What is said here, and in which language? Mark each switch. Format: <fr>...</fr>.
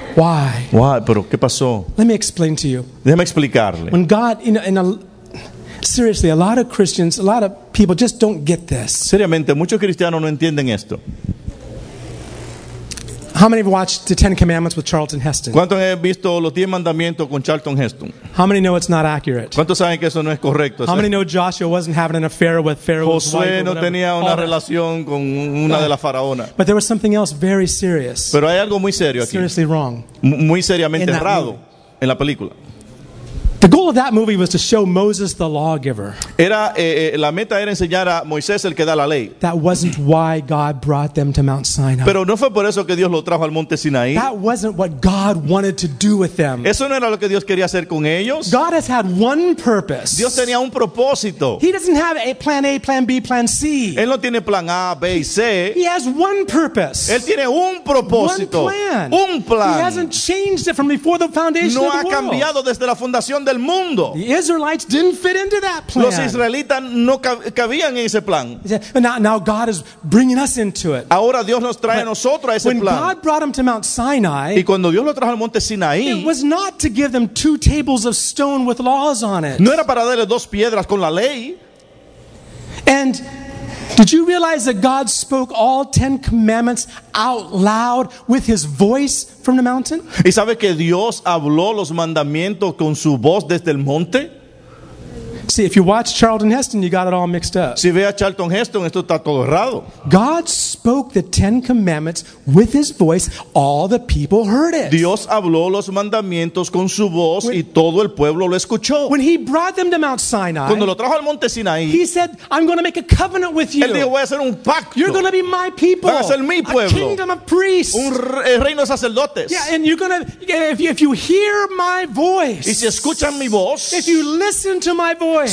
<en>Why?</en> <es>Why? Pero ¿qué pasó?</es> <en>Let me explain to you.</en> <es>Déjame explicarle.</es> <en>When God, you know, seriously, a lot of Christians, a lot of people just don't get this.</en> <es>Seriamente, muchos cristianos no entienden esto.</es> <en>How many have watched the Ten Commandments with Charlton Heston?</en> <es>¿Cuántos han visto los Diez Mandamientos con Charlton Heston?</es> <en>How many know it's not accurate?</en> <es>¿Cuántos saben que eso no es correcto?</es> <en>How many know Joshua wasn't having an affair with Pharaoh's wife?</en> <es>Josué no tenía una relación con una de las faraonas.</es> <en>But there was something else very serious.</en> <es>Pero hay algo muy serio aquí.</es> <en>Seriously wrong.</en> <es>Muy seriamente errado en la película.</es> <en>The goal of that movie was to show Moses the lawgiver.</en> <es>Era la meta era enseñar a Moisés el que da la ley.</es> <en>That wasn't why God brought them to Mount Sinai.</en> <es>Pero no fue por eso que Dios lo trajo al Monte Sinaí.</es> <en>That wasn't what God wanted to do with them.</en> <es>Eso no era lo que Dios quería hacer con ellos.</es> <en>God has had one purpose.</en> <es>Dios tenía un propósito.</es> <en>He doesn't have a plan A, plan B, plan C.</en> <es>Él no tiene plan A, B y C.</es> <en>He has one purpose.</en> <es>Él tiene un propósito.</es> <en>One plan.</en> <es>Un plan.</es> <en>He hasn't changed it from before the foundation</en> <es>no</es> <en>of the world.</en> <es>No ha cambiado desde la fundación del mundo.</es> <en>The Israelites didn't fit into that plan.</en> <es>Los israelitas no cabían en ese plan.</es> <en>Now God is bringing us into it.</en> <es>Ahora Dios nos trae a nosotros a ese plan.</es> <en>When God brought them to Mount Sinai,</en> <es>y cuando Dios los trajo al Monte Sinaí,</es> <en>it was not to give them two tables of stone with laws on it.</en> <es>No era para darle dos piedras con la ley.</es> <en>And did you realize that God spoke all Ten Commandments out loud with His voice from the mountain?</en> <es>¿Y sabe que Dios habló los mandamientos con su voz desde el monte?</es> <en>See, if you watch Charlton Heston, you got it all mixed up.</en> <es>Si ve a Charlton Heston, esto está todo errado.</es> <en>God spoke the Ten Commandments with His voice. All the people heard it.</en> <es>Dios habló los mandamientos con su voz y todo el pueblo lo escuchó.</es> <en>When He brought them to Mount Sinai,</en> <es>cuando lo trajo al Monte Sinaí,</es> <en>He said, "I'm going to make a covenant with you."</en> <es>Él dijo, voy a hacer un pacto.</es> <en>You're going to be my people.</en> <es>Vas a ser mi pueblo.</es> <en>A kingdom of priests.</en> <es>Un reino de sacerdotes.</es> <en>Yeah, and you're going to, if you hear my voice.</en> <es>Y si escuchan mi voz.</es> <en>If you listen to my voice.</en>